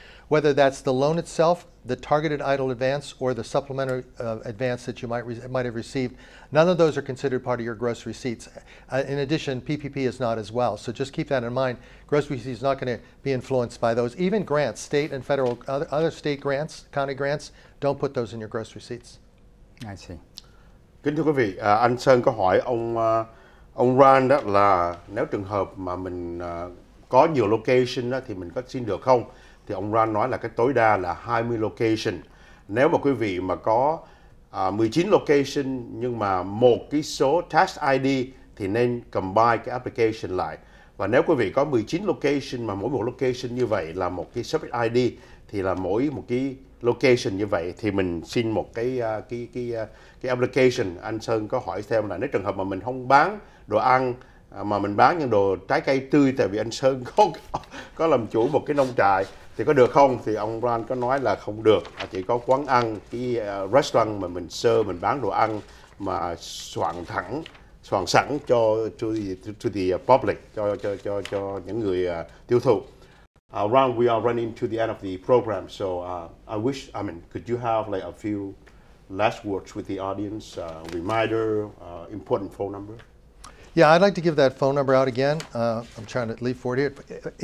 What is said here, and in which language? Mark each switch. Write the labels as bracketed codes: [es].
[en] whether that's the loan itself, the targeted idle advance, or the supplementary advance that you might have received. None of those are considered part of your gross receipts. In addition, PPP is not as well. So just keep that in mind. Gross receipts is not going to be influenced by those. Even grants, state and federal, other state grants, county grants, don't put those in your gross receipts. I see. [vi] Kính thưa quý vị, anh Sơn có hỏi ông Rand đó là nếu trường hợp mà mình có nhiều location đó thì mình có xin được không? Thì ông Rand nói là cái tối đa là 20 location. Nếu mà quý vị mà có 19 location nhưng mà một cái số tax ID thì nên combine cái application lại. Và nếu quý vị có 19 location mà mỗi một location như vậy là một cái subject ID thì là mỗi một cái location như vậy thì mình xin một cái application. Anh Sơn có hỏi thêm là nếu trường hợp mà mình không bán đồ ăn mà mình bán những đồ trái cây tươi, tại vì anh Sơn có làm chủ một cái nông trại, thì có được không? Thì ông Ron có nói là không được, chỉ có quán ăn, cái restaurant mà mình serve, mình bán đồ ăn mà soạn sẵn cho [en] to the public, [vi] cho những người tiêu thụ. [en] Ron, we are running to the end of the program, so could you have like a few last words with the audience, reminder, important phone number? Yeah, I'd like to give that phone number out again. I'm trying to leave for it here.